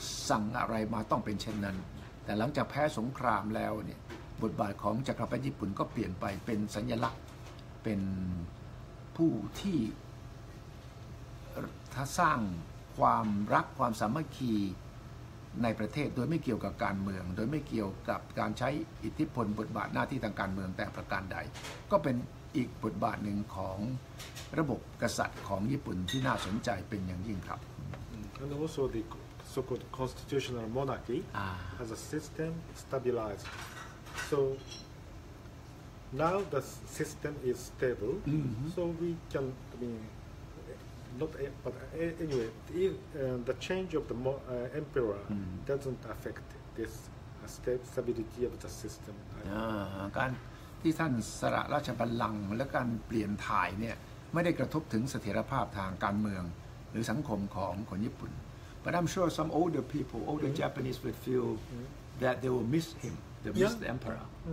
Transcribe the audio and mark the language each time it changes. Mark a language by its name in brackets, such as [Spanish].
[Thai] สั่งอะไรมาต้องเป็นเช่นนั้นแต่หลังจากแพ้สงครามแล้วเนี่ยบทบาทของจักรพรรดิญี่ปุ่นก็เปลี่ยนไปเป็นสัญลักษณ์เป็นผู้ที่ถ้าสร้างความรักความสามัคคีในประเทศโดยไม่เกี่ยวกับการเมืองโดยไม่เกี่ยวกับการใช้อิทธิพลบทบาทหน้าที่ทางการเมืองแต่ประการใดก็เป็นอีกบทบาทหนึ่งของระบบกษัตริย์ของญี่ปุ่นที่น่าสนใจเป็นอย่างยิ่งครับ [English] And also the so-called constitutional monarchy has a system stabilized so now the system is stable so we can I mean not but anyway if the change of the emperor doesn't affect this stability of the system [Thai] การที่ท่านสละราชบัลลังก์และการเปลี่ยนถ่ายเนี่ยไม่ได้กระทบถึงเสถียรภาพทางการเมืองหรือสังคมของคนญี่ปุ่น [English] But I'm sure some older people, older Japanese would feel that they will miss him, they miss the emperor.